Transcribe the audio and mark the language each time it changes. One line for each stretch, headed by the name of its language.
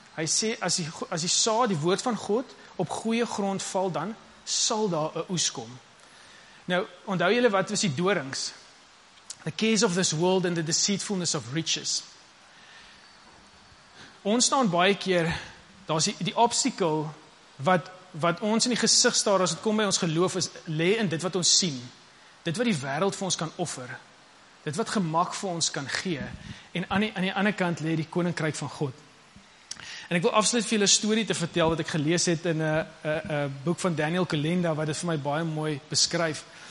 Afrikaans: Hy sê, as die saad, die woord van God, op goeie grond val, dan sal daar 'n oes kom. Nou, onthou julle wat was die dorings?
English: The cares of this world and the deceitfulness of riches.
Afrikaans: Ons staan baie keer, daar is die obstacle wat ons in die gesig staar as het kom by ons geloof is, lê in dit wat ons sien. Dit wat die wêreld vir ons kan offer. Dit wat gemak vir ons kan gee. En aan die ander kant lê die koninkryk van God. En ek wil afsluit vir julle story te vertel wat ek gelees het in 'n boek van Daniel Kalenda wat dit vir my baie mooi beskryf.